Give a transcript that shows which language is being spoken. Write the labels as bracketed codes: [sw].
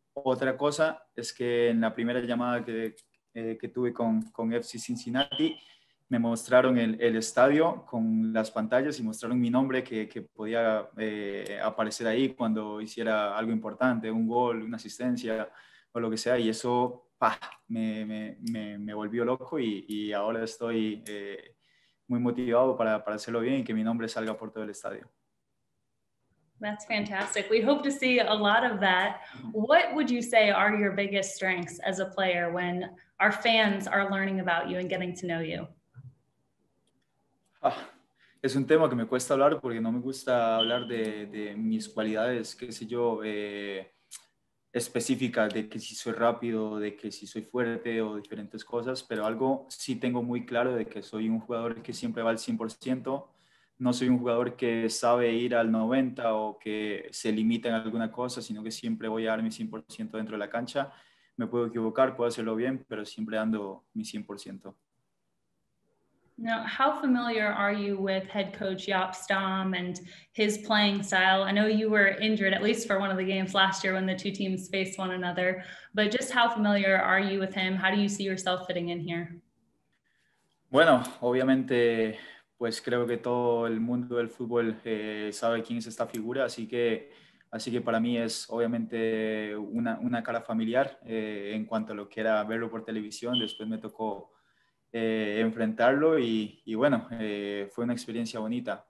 [es] Otra cosa es que en la primera llamada que tuve con FC Cincinnati, me mostraron el estadio con las pantallas y mostraron mi nombre que podía aparecer ahí cuando hiciera algo importante, un gol, una asistencia o lo que sea. Y eso me volvió loco y ahora estoy muy motivado para hacerlo bien y que mi nombre salga por todo el estadio. [en] That's fantastic. We hope to see a lot of that. What would you say are your biggest strengths as a player when our fans are learning about you and getting to know you? [es] Ah, es un tema que me cuesta hablar porque no me gusta hablar de mis cualidades, qué sé yo, específicas, de que si soy rápido, de que si soy fuerte o diferentes cosas, pero algo sí tengo muy claro de que soy un jugador que siempre va al 100%, no soy un jugador que sabe ir al 90 o que se limita en alguna cosa, sino que siempre voy a dar mi 100% dentro de la cancha. Me puedo equivocar, puedo hacerlo bien, pero siempre dando mi 100%. [en] Now, how familiar are you with head coach Jaap Stam and his playing style? I know you were injured at least for one of the games last year when the two teams faced one another, but just how familiar are you with him? How do you see yourself fitting in here? [es] Bueno, obviamente, pues creo que todo el mundo del fútbol sabe quién es esta figura, así que para mí es obviamente una cara familiar en cuanto a lo que era verlo por televisión. Después me tocó enfrentarlo y bueno, fue una experiencia bonita.